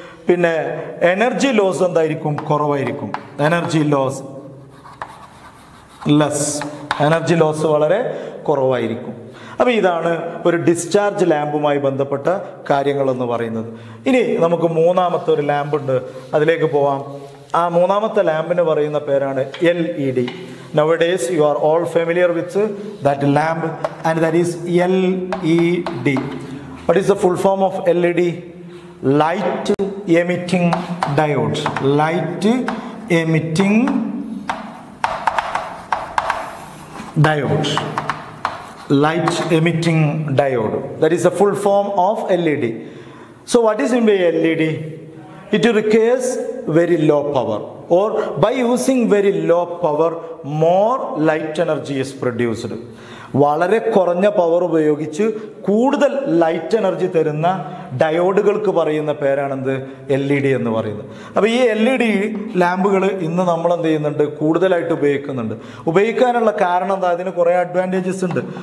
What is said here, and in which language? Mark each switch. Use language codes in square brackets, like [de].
[ml] പിന്നെ energy loss എന്തായിരിക്കും? കുറവായിരിക്കും. Energy loss less, energy loss വളരെ കുറവായിരിക്കും. അപ്പോൾ ഇതാണ് ഒരു ഡിസ്ചാർജ് ലാമ്പുമായി ബന്ധപ്പെട്ട കാര്യങ്ങളെന്ന് പറയുന്നത്. ഇനി നമുക്ക് മൂന്നാമത്തെ ഒരു ലാമ്പുണ്ട്, അതിലേക്ക് പോവാം. ആ മൂന്നാമത്തെ ലാമ്പിന് പറയുന്ന പേരാണ് LED. [en] Nowadays you are all familiar with that lamp, and that is LED. What is the full form of LED? Light emitting diode. Light emitting diode. Light emitting diode. That is the full form of LED. So what is in the LED? It requires very low power. Or by using very low power, more light energy is produced. [ml] വളരെ കുറഞ്ഞ power ഉപയോഗിച്ച് കൂടുതൽ light energy തരുന്ന ഡയോഡുകൾക്ക് പറയുന്ന പേരാണെന്ത്? LED എന്ന് പറയുന്നത്. അപ്പോൾ ഈ LED ലാമ്പുകൾ ഇന്ന് നമ്മൾ എന്ത് ചെയ്യുന്നുണ്ട്? കൂടുതലായിട്ട് ഉപയോഗിക്കുന്നുണ്ട്. ഉപയോഗിക്കാനുള്ള കാരണം എന്താ? അതിന് കുറേ അഡ്വാൻറ്റേജസ് ഉണ്ട്.